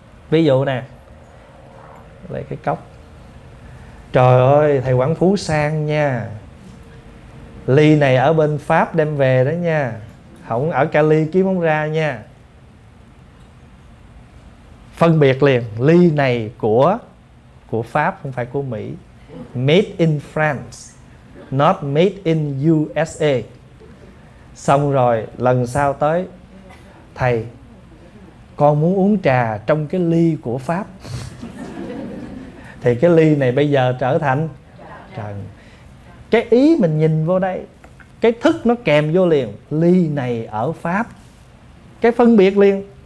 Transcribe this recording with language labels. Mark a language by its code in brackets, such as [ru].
[vi] Ví dụ nè, lấy cái cốc. Trời ơi, thầy Quảng Phú sang nha. Ly này ở bên Pháp đem về đó nha, không ở Cali kiếm không ra nha. Phân biệt liền, ly này của Pháp, không phải của Mỹ. [en] Made in France, not made in USA. [vi] Xong rồi, lần sau tới, thầy, con muốn uống trà trong cái ly của Pháp. Thì cái ly này bây giờ trở thành trần. Cái ý mình nhìn vô đây, cái thức nó kèm vô liền, ly này ở Pháp. Cái phân biệt liền.